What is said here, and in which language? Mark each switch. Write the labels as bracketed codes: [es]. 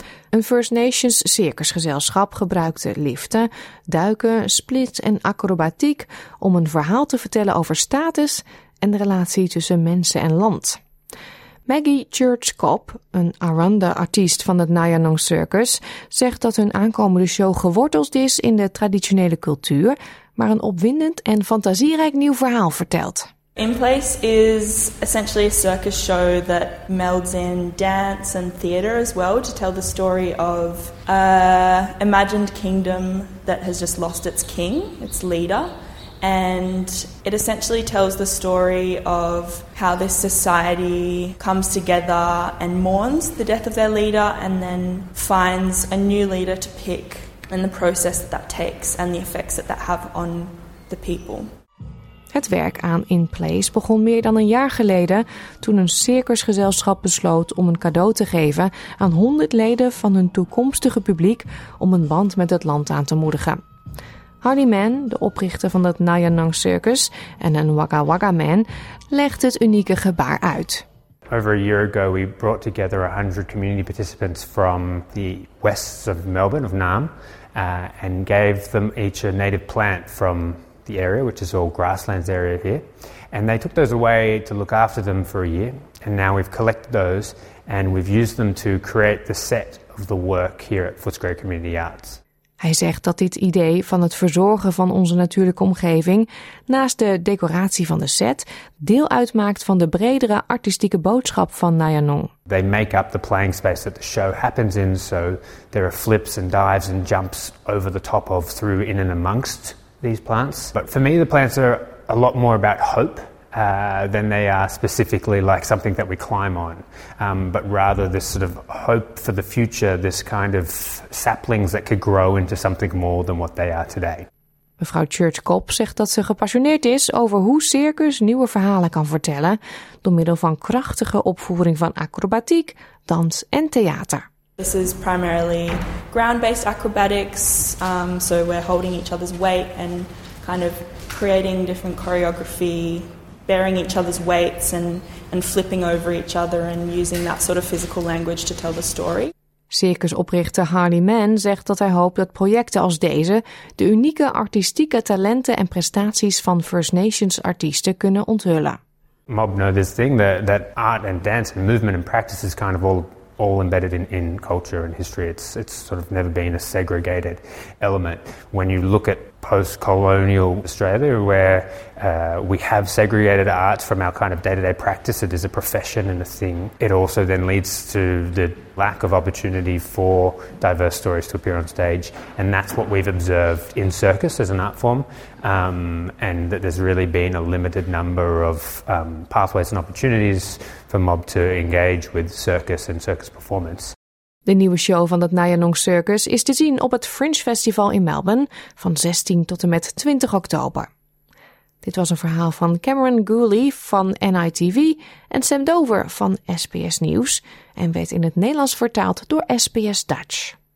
[nl] Een First Nations circusgezelschap gebruikte liften, duiken, splits en acrobatiek om een verhaal te vertellen over status en de relatie tussen mensen en land. Maggie Church-Cobb, een Aranda-artiest van het Nyalong Circus, zegt dat hun aankomende show geworteld is in de traditionele cultuur, maar een opwindend en fantasierijk nieuw verhaal vertelt. [en] In Place is essentially a circus show that melds in dance and theater as well to tell the story of an imagined kingdom that has just lost its king, its leader. And it essentially tells the story of how this society comes together and mourns the death of their leader and then finds a new leader to pick and the process that takes and the effects that have on the people. [nl] Het werk aan In Place begon meer dan een jaar geleden toen een circusgezelschap besloot om een cadeau te geven aan 100 leden van hun toekomstige publiek om een band met het land aan te moedigen. Hardy Mann, de oprichter van het Nyalong Circus en een Wagga Wagga Man, legt het unieke gebaar uit. [en] Over a year ago we brought together 100 community participants from the west of Melbourne, of NAM, and gave them each a native plant from the area, which is all grasslands area here. And they took those away to look after them for a year. And now we've collected those and we've used them to create the set of the work here at Footscray Community Arts. [nl] Hij zegt dat dit idee van het verzorgen van onze natuurlijke omgeving naast de decoratie van de set deel uitmaakt van de bredere artistieke boodschap van Nyalong. [en] They make up the playing space that the show happens in, so there are flips and dives and jumps over the top of, through, in and amongst these plants. But for me the plants are a lot more about hope than they are specifically like something that we climb on. But rather this sort of hope for the future, this kind of saplings that could grow into something more than what they are today. [nl] Mevrouw Church-Kopp zegt dat ze gepassioneerd is over hoe circus nieuwe verhalen kan vertellen door middel van krachtige opvoering van acrobatiek, dans en theater. [en] This is primarily ground-based acrobatics, so we're holding each other's weight and kind of creating different choreography, bearing each other's weights and flipping over each other and using that sort of physical language to tell the story. [nl] Circusoprichter Harley Mann zegt dat hij hoopt dat projecten als deze de unieke artistieke talenten en prestaties van First Nations artiesten kunnen onthullen. [en] Mob know this thing that art and dance and movement and practice is kind of all embedded in culture and history. It's sort of never been a segregated element. When you look at post-colonial Australia, where we have segregated arts from our kind of day-to-day practice, it is a profession and a thing. It also then leads to the lack of opportunity for diverse stories to appear on stage. And that's what we've observed in circus as an art form. And that there's really been a limited number of pathways and opportunities for mob to engage with circus and circus performance. [nl] De nieuwe show van het Nyanong Circus is te zien op het Fringe Festival in Melbourne van 16 tot en met 20 oktober. Dit was een verhaal van Cameron Gooley van NITV en Sam Dover van SBS Nieuws en werd in het Nederlands vertaald door SBS Dutch.